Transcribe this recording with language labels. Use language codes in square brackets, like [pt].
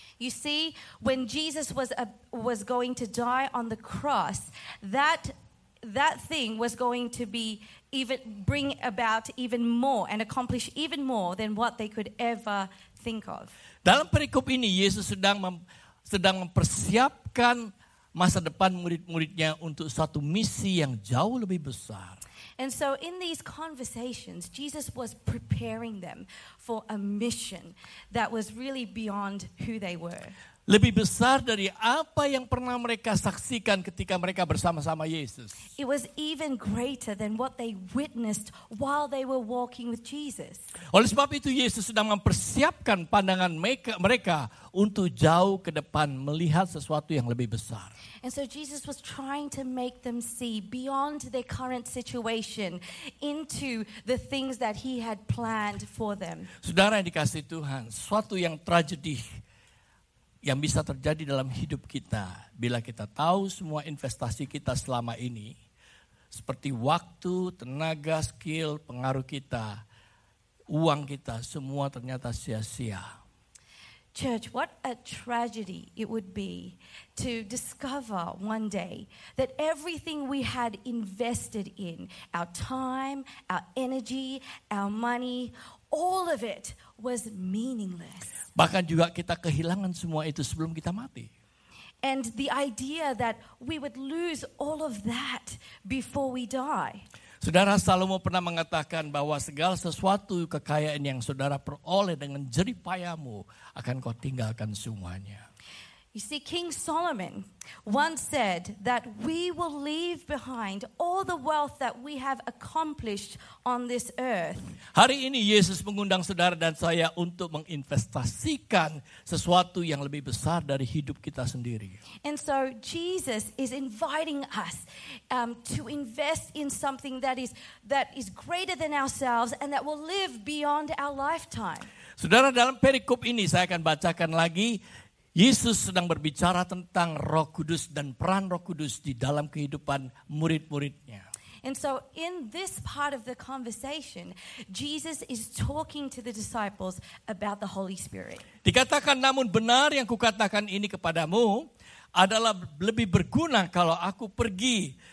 [en] You see, when Jesus was going to die on the cross, that thing was going to be even bring about even more and accomplish even more than what they could ever think of. [id] Dalam perikop ini Yesus sedang mempersiapkan masa depan murid-muridnya untuk satu misi yang jauh lebih besar. [en] And so in these conversations Jesus was preparing them for a mission that was really beyond who they were. [id] Lebih besar dari apa yang pernah mereka saksikan ketika mereka bersama-sama Yesus. [en] It was even greater than what they witnessed while they were walking with Jesus. [id] Oleh sebab itu, Yesus sedang mempersiapkan pandangan mereka untuk jauh ke depan melihat sesuatu yang lebih besar. [en] And so Jesus was trying to make them see beyond their current situation into the things that he had planned for them. [id] Saudara yang dikasihi Tuhan, suatu yang tragedi yang bisa terjadi dalam hidup kita bila kita tahu semua investasi kita selama ini seperti waktu, tenaga, skill, pengaruh kita, uang kita, semua ternyata sia-sia. [en] Church, what a tragedy it would be to discover one day that everything we had invested in, our time, our energy, our money, all of it was meaningless. [id] Bahkan juga kita kehilangan semua itu sebelum kita mati. [en] And the idea that we would lose all of that before we die. [id] Saudara Salomo pernah mengatakan bahwa segala sesuatu kekayaan yang saudara peroleh dengan jerih payahmu akan kau tinggalkan semuanya. [en] You see, King Solomon once said that we will leave behind all the wealth that we have accomplished on this earth. [id] Hari ini Yesus mengundang saudara dan saya untuk menginvestasikan sesuatu yang lebih besar dari hidup kita sendiri. [en] And so Jesus is inviting us to invest in something that is greater than ourselves and that will live beyond our lifetime. [id] Saudara, dalam perikop ini saya akan bacakan lagi. Yesus sedang berbicara tentang Roh Kudus dan peran Roh Kudus di dalam kehidupan murid-muridnya. [en] And so in this part of the conversation, Jesus is talking to the disciples about the Holy Spirit. [id] Dikatakan, namun benar yang kukatakan ini kepadamu adalah lebih berguna kalau aku pergi.